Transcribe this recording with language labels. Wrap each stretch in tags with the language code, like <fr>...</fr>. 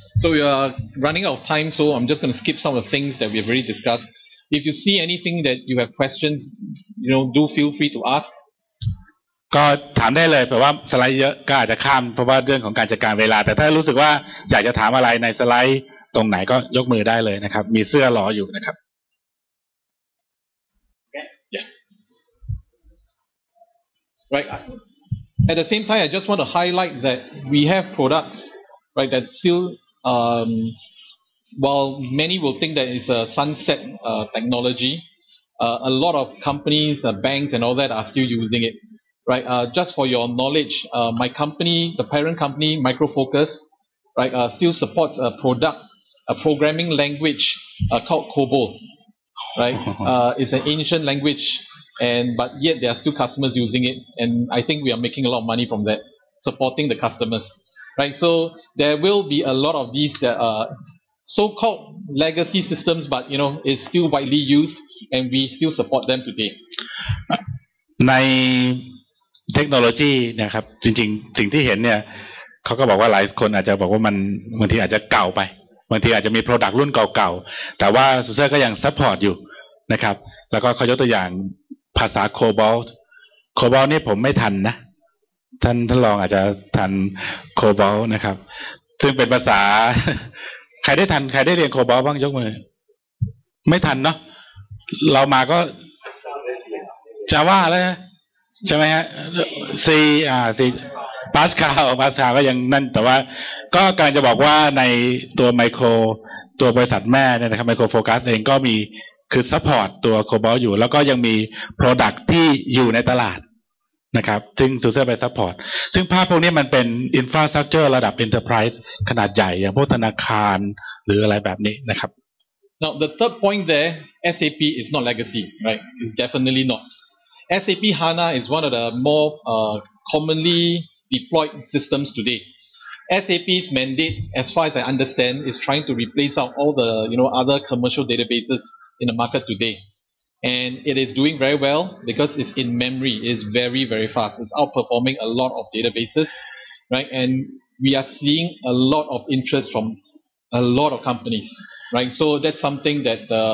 <en>So we are running out of time, so I'm just going to skip some of the things that we've already discussed. If you see anything that you have questions, you know, do feel free to ask.</en> <th>ก็ถามได้เลยเพราะว่าสไลด์เยอะก็อาจจะข้ามเพราะว่าเรื่องของการจัดการเวลาแต่ถ้ารู้สึกว่าอยากจะถามอะไรในสไลด์ตรงไหนก็ยกมือได้เลยนะครับมีเสื้อรออยู่นะครับ</th> <en>Right. At the same time, I just want to highlight that we have products, right, that still, while many will think that it's a sunset technology, a lot of companies, banks and all that are still using it, right? Just for your knowledge, my company, the parent company, Micro Focus, right, still supports a product, a programming language called COBOL, right? It's an ancient language. But yet there are still customers using it, and I think we are making a lot of money from that, supporting the customers, right? So there will be a lot of these that are so-called legacy systems, but you know it's still widely used, and we still support them today.</en> <th>ในเทคโนโลยีนะครับจริงๆสิ่งที่เห็นเนี่ยเขาก็บอกว่าหลายคนอาจจะบอกว่ามันบางทีอาจจะเก่าไปบางทีอาจจะมี product รุ่นเก่าๆแต่ว่า SUSE ก็ยัง support อยู่นะครับแล้วก็เขายกตัวอย่างภาษาโคบอลนี่ผมไม่ทันนะท่านลองอาจจะทันโคบอลนะครับซึ่งเป็นภาษาใครได้ทันใครได้เรียนโคบอลบ้างยกมือไม่ทันเนาะเรามาก็ จาว่าแล้วใช่ไหมฮะซีพาสคาลก็ยังนั่นแต่ว่าก็การจะบอกว่าในตัวไมโครตัวบริษัทแม่เนี่ยนะครับไมโครโฟกัสเองก็มีคือซัพพอร์ตตัวโคบอลอยู่แล้วก็ยังมีโปรดักต์ที่อยู่ในตลาดนะครับซึ่งSUSEไปซัพพอร์ตซึ่งภาพพวกนี้มันเป็นอินฟราสตรักเจอร์ระดับเอ็นเตอร์ไพรส์ขนาดใหญ่อย่างพวกธนาคารหรืออะไรแบบนี้นะครับ</th> <en>Now the third point there SAP is not legacy right it's definitely not SAP HANA is one of the more commonly deployed systems today SAP's mandate as far as I understand is trying to replace out all the you know other commercial databasesin the market today and it is doing very well because it's in memory it's very very fast it's outperforming a lot of databases right and we are seeing a lot of interest from a lot of companies right so that's something that</en>